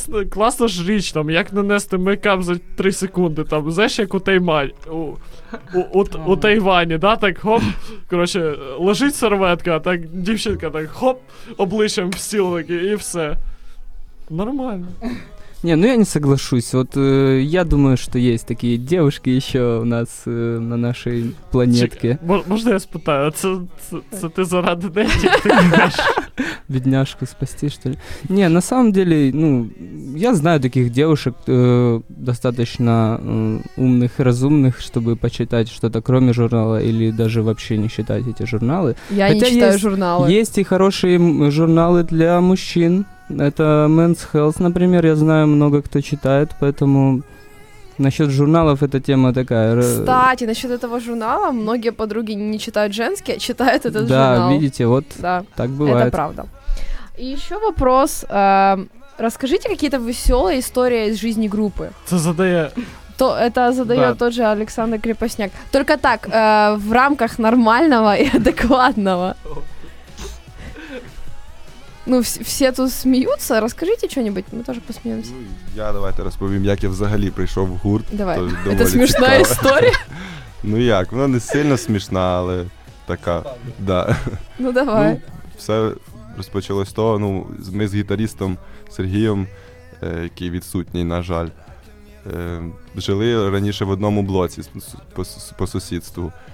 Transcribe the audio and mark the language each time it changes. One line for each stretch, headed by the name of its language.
Ukrainian: Класна ж річ, там, як нанести мейкап за 3 секунди, там, знаєш, як у Тайвані, у Тайвані, да, так, хоп, коротше, лежить серветка, а так, дівчинка, так, хоп, обличчям в стіл, і все. Нормально.
Russian: Не, ну я не соглашусь,
Ukrainian: от я думаю, що є такі дівчинки ще у нас на нашій планетці. Можна я спитаю, це ти заради неї, ти кажеш?
Russian: Бідняшку спасти, что ли? Не, на самом деле, ну, я знаю таких девушек, достаточно умных и разумных, чтобы почитать что-то кроме журнала или даже вообще не читать эти журналы. Я хотя не читаю журналы. Есть и хорошие журналы для мужчин. Это Men's Health, например, я знаю, много кто читает, поэтому... Насчет журналов эта тема такая. Кстати, насчет этого журнала многие подруги не читают женские, а читают этот да, журнал. Да, видите, вот да, так бывает. Это правда. И еще вопрос. Расскажите какие-то веселые истории из жизни группы. Это задает да. Тот же Александр Крепостняк. Только так, в рамках нормального и адекватного.
Ukrainian: Ну, все тут сміються, розкажіть що-небудь, ми теж посміємося. Ну, я давайте розповім, як я взагалі прийшов в гурт. Давай, це смішна історія. Ну як, вона не сильно смішна, але така, да. Ну давай. Все розпочалось з того, ну, ми з гітаристом Сергієм, який відсутній, на жаль, жили раніше в одному блоці по сусідству.